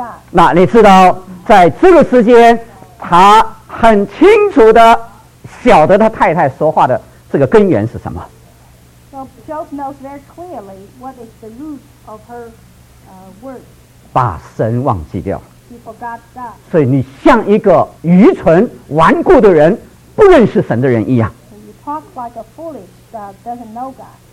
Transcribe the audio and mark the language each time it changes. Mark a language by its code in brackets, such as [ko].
[zh] 那你知道在这个时间他很清楚地晓得他太太说话的这个根源是什么。 [en] So Job knows very clearly what is the root of her words. [zh] 把神忘记掉。 [en] He forgot God. [zh] 所以你像一个愚蠢顽固的人不认识神的人一样。 [en] So you talk like a foolish that doesn't know God.